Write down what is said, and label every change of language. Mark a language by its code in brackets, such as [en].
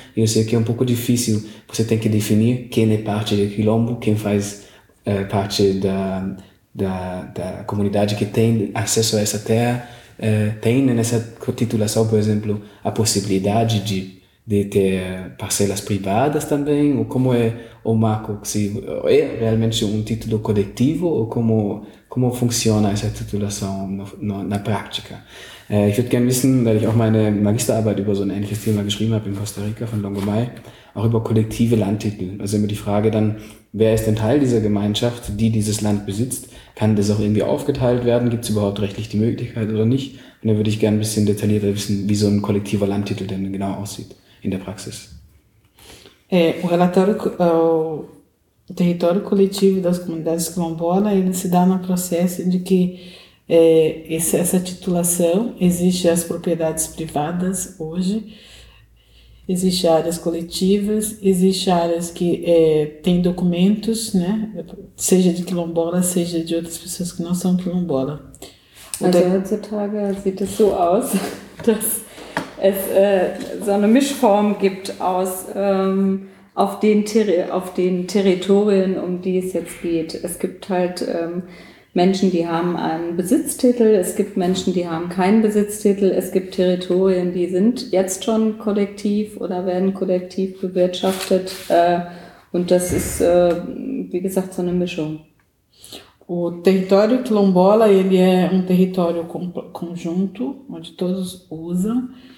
[pt] E eu sei que é um pouco difícil, você tem que definir quem é parte do quilombo, quem faz parte da comunidade que tem acesso a essa terra. Tem nessa titulação, por exemplo, a possibilidade de ter parcelas privadas também? Ou como é o marco? Se é realmente um título coletivo ou como... Como [de] funktioniert diese Titulation in der Praxis? Ich würde gerne wissen, weil ich auch meine Magisterarbeit über so ein ähnliches Thema geschrieben habe in Costa Rica von Longomai, auch über kollektive Landtitel. Also immer die Frage dann, wer ist denn Teil dieser Gemeinschaft, die dieses Land besitzt? Kann das auch irgendwie aufgeteilt werden? Gibt es überhaupt rechtlich die Möglichkeit oder nicht? Und dann würde ich gerne ein bisschen detaillierter wissen, wie so ein kollektiver Landtitel denn genau aussieht in der Praxis. [pt] O território coletivo das comunidades quilombolas, ele se dá no processo de que essa titulação, existe as propriedades privadas hoje, existe áreas coletivas, existe áreas que têm documentos, né, seja de quilombola, seja de outras pessoas que não são quilombola. [de] Heutzutage sieht es so aus, dass es so eine Mischform gibt aus auf den Territorien, um die es jetzt geht. Es gibt halt Menschen, die haben einen Besitztitel, es gibt Menschen, die haben keinen Besitztitel, es gibt Territorien, die sind jetzt schon kollektiv oder werden kollektiv bewirtschaftet. Und das ist, wie gesagt, so eine Mischung. [pt] O território quilombola, ele é território conjunto, onde todos usam.